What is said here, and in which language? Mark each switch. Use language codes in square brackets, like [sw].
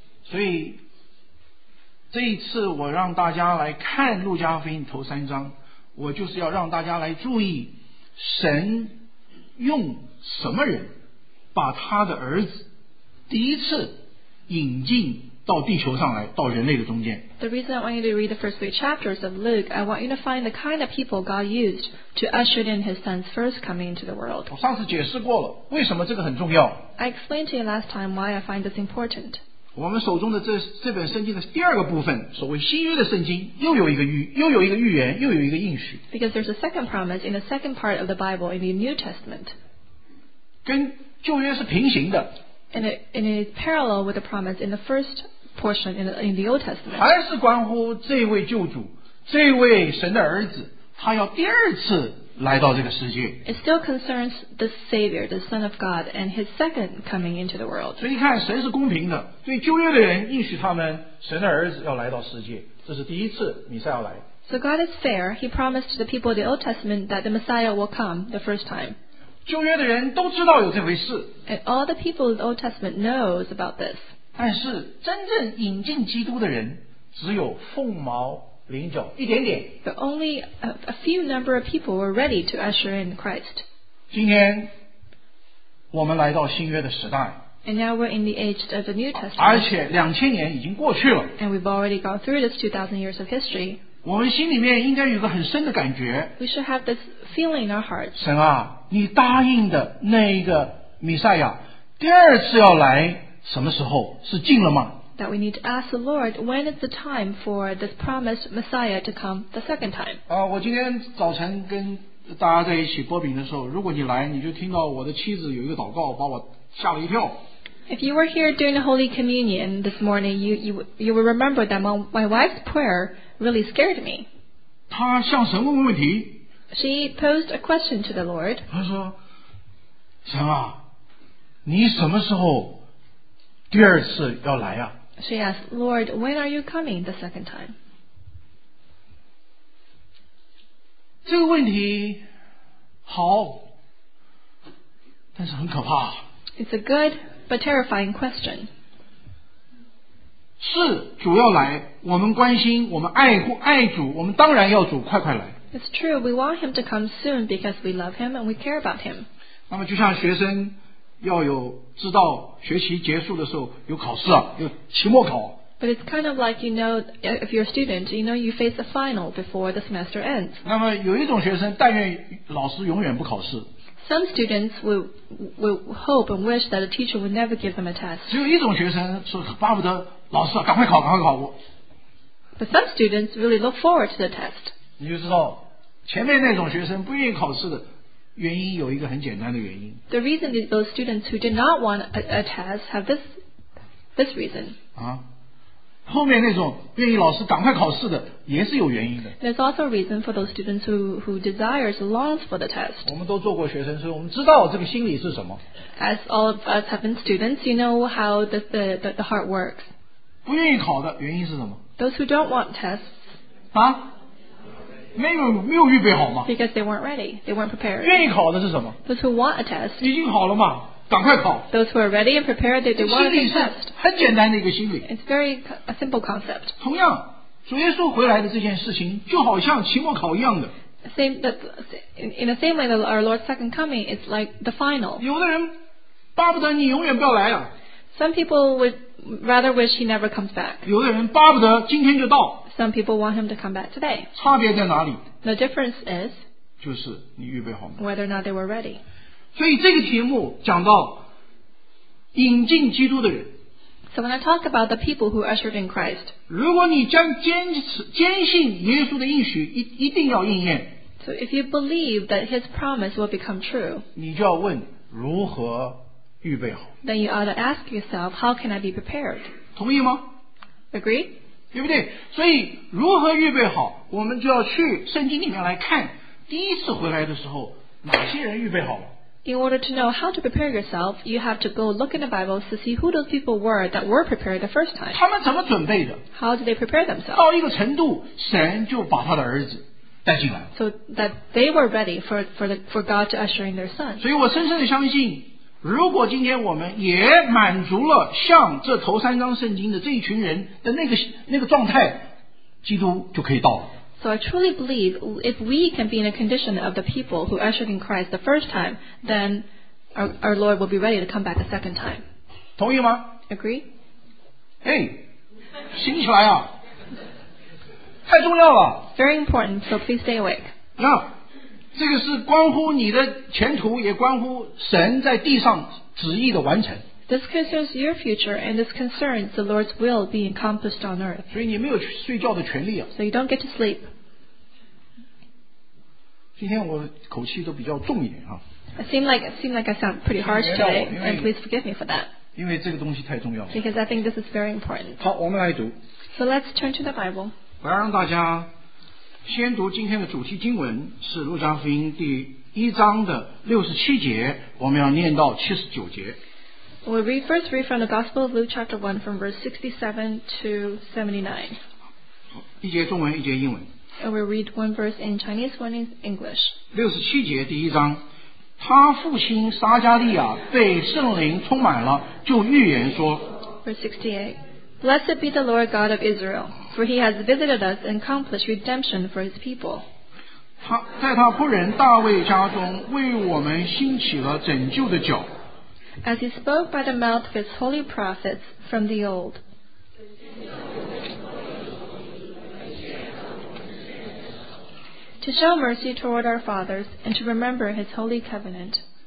[zh] 所以这一次我让大家来看路加福音头三章，我就是要让大家来注意神用什么人把他的儿子第一次引进到地球上来，到人类的中间。 [en] The reason I want you to read the first three chapters of Luke, I want you to find the kind of people God used to usher in His Son's first coming into the world. [zh] 我上次解释过了，为什么这个很重要。 [en] I explained to you last time why I find this important. [zh] 我们手中的这本圣经的第二个部分，所谓新约的圣经，又有一个预言，又有一个应许。 [en] Because there's a second promise in the second part of the Bible in the New Testament. [zh] 跟旧约是平行的。 [en] And it is parallel with the promise in the first portion in the Old Testament. [zh] 还是关乎这位救主，这位神的儿子，他要第二次来到这个世界。 [en] It still concerns the Savior, the Son of God, and His second coming into the world. [zh] 所以你看，神是公平的，对旧约的人应许他们神的儿子要来到世界，这是第一次弥赛亚来。 [en] So God is fair. He promised the people of the Old Testament that the Messiah will come the first time. [zh] 旧约的人都知道有这回事。 [en] And all the people of the Old Testament knows about this. [zh] 但是真正引进基督的人只有凤毛麟角一点点。 [en] But only a few number of people were ready to usher in Christ. [zh] 今天我们来到新约的时代。 [en] And now we're in the age of the New Testament. [zh] 而且2000年已经过去了。 [en] And we've already gone through this 2000 years of history. [zh] 我们心里面应该有个很深的感觉。 [en] We should have this feeling in our hearts. [zh] 神啊，你答应的那一个弥赛亚第二次要来什么时候？是近了吗？ [en] That we need to ask the Lord, when is the time for this promised Messiah to come the second time? [zh] 我今天早晨跟大家在一起擘饼的时候，如果你来，你就听到我的妻子有一个祷告，把我吓了一跳。 [en] If you were here during the Holy Communion this morning, you will remember that my wife's prayer really scared me. [zh] 她向神问问题。 [en] She posed a question to the Lord. [zh] 她说，神啊，你什么时候第二次要来啊？ [en] She asked, Lord, when are you coming the second time? [zh] 这个问题好，但是很可怕。 [en] It's a good but terrifying question. [zh] 是主要来，我们关心，我们爱主，我们当然要主快快来。 [en] It's true, we want him to come soon because we love him and we care about him. [zh] 那么就像学生要有知道学习结束的时候有考试啊，有期末考。 [en] But it's kind of like, you know, if you're a student, you know you face a final before the semester ends. [zh] 那么有一种学生但愿老师永远不考试。 [en] Some students will hope and wish that a teacher would never give them a test. [zh] 只有一种学生说巴不得老师啊，赶快考，赶快考。 [en] But some students really look forward to the test. [zh] 你就知道前面那种学生不愿意考试的原因有一个很简单的原因。 [en] The reason is those students who did not want a test have this reason. [zh] 啊，后面那种愿意老师赶快考试的也是有原因的。 [en] There's also a reason for those students who desires longs for the test. [zh] 我们都做过学生，所以我们知道这个心理是什么。 [en] As all of us have been students, you know how the heart works. [zh] 不愿意考的原因是什么？ [en] Those who don't want tests. [zh] 啊？没有预备好吗？ [en] Because they weren't ready, they weren't prepared. [zh] 愿意考的是什么？ [en] Those who want a test. [zh] 已经好了嘛，赶快考。 [en] Those who are ready and prepared, they want a test. [zh] 很简单的一个心理。 [en] It's very a simple concept. [zh] 同样，主耶稣回来的这件事情就好像期末考一样的。 [en] In the same way that our Lord's second coming is like the final. [zh] 有的人巴不得你永远不要来啊。 [en] Some people would rather wish he never comes back. [zh] 有的人巴不得今天就到。 [en] Some people want him to come back today. [zh] 差别在哪里？ [en] The difference is, [zh] 就是你预备好吗？ [en] Whether or not they were ready. [zh] 所以这个题目讲到引进基督的人。 [en] So when I talk about the people who ushered in Christ, [zh] 如果你将坚信耶稣的应许一定要应验。 [en] So if you believe that his promise will become true, [zh] 你就要问如何预备好。 [en] Then you ought to ask yourself, how can I be prepared? [zh] 同意吗？ [en] Agree? [zh] 对不对？所以如何预备好，我们就要去圣经里面来看第一次回来的时候哪些人预备好了。 [en] In order to know how to prepare yourself, you have to go look in the Bible to see who those people were that were prepared the first time. [zh] 他们怎么准备的？ [en] How did they prepare themselves? [zh] 到一个程度神就把他的儿子带进来。 [en] So that they were ready for God to usher in their son. [zh] 所以我深深地相信，如果今天我们也满足了像这头三章圣经的这一群人的那个状态，基督就可以到了。 [en] So I truly believe if we can be in a condition of the people who ushered in Christ the first time, then our Lord will be ready to come back a second time. [zh] 同意吗？ [en] Agree? [zh] 哎，醒起来啊，太重要了。 [en] Very important, so please stay awake. No. [zh] 这个是关乎你的前途，也关乎神在地上旨意的完成。 [en] This concerns your future, and this concerns the Lord's will being accomplished on earth. [zh] 所以你没有睡觉的权利啊。 [en] So you don't get to sleep. [zh] 今天我口气都比较重一点啊。 [en] It seemed like I sound pretty harsh today, and please forgive me for that. [zh] 因为这个东西太重要了。 [en] Because I think this is very important. [zh] 好，我们来读。 [en] So let's turn to the Bible. [zh] 我要让大家先读今天的主题经文，是路加福音第一章的67节，我们要念到79节。 [en] We'll read first read from the Gospel of Luke chapter 1 from verse 67 to 79. [zh] 一节中文，一节英文。 [en] And we'll read one verse in Chinese, one in English. [zh] 67节第一章，他父亲撒迦利亚被圣灵充满了，就预言说， [en] verse 68. Blessed be the Lord God of Israel, for he has visited us and accomplished redemption for his people. [zh] 在他仆人大卫家中为我们兴起了拯救的脚。 [en] As he spoke by the mouth of his holy prophets from the old. To show mercy toward our fathers and to remember his holy covenant.